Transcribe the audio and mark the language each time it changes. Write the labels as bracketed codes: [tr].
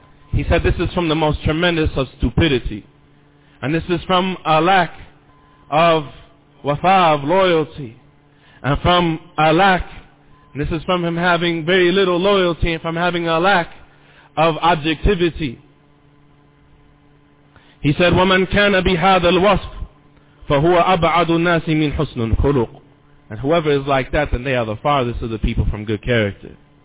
[en] He said this is from the most tremendous of stupidity. And this is from a lack of wafa, of loyalty. And from a lack, and this is from him having very little loyalty, and from having a lack of objectivity. He said, [ar] وَمَنْ كَانَ بِهَذَا الْوَصْفِ فَهُوَ أَبْعَدُ النَّاسِ مِنْ حُسْنُ الْخُلُقِ. [en] And whoever is like that, then they are the farthest of the people from good character.